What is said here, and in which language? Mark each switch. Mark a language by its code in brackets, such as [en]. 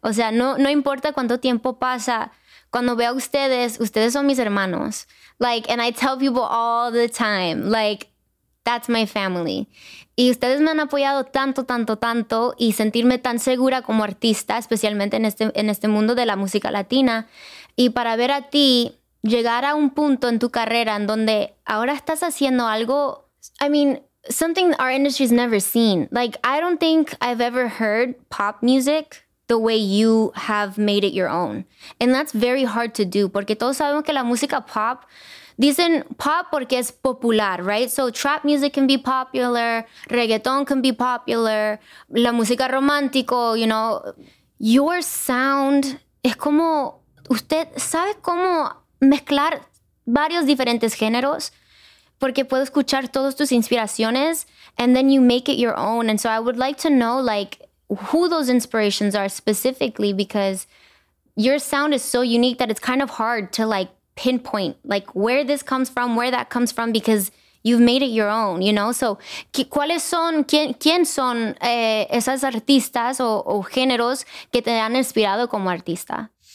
[es] O sea, no importa cuánto tiempo pasa, cuando veo a ustedes, ustedes son mis hermanos. [en] Like, and I tell people all the time, like, that's my family. [es] Y ustedes me han apoyado tanto, tanto, tanto y sentirme tan segura como artista, especialmente en este mundo de la música latina. Y para ver a ti llegar a un punto en tu carrera en donde ahora estás haciendo algo, [en] I mean, something our industry's never seen. Like, I don't think I've ever heard pop music the way you have made it your own. And that's very hard to do, [es] porque todos sabemos que la música pop, dicen pop porque es popular, right? [en] So trap music can be popular, reggaeton can be popular, [es] la música romántico, [en] you know. Your sound [es] es como, usted sabe cómo mezclar varios diferentes géneros, porque puedo escuchar todas tus inspiraciones, [en] and then you make it your own. And so I would like to know, like, who those inspirations are specifically, because your sound is so unique that it's kind of hard to, like, pinpoint, like, where this comes from, where that comes from, because you've made it your own, you know? [es] So, ¿cuáles son, quién son esas artistas o géneros que te han inspirado como artista?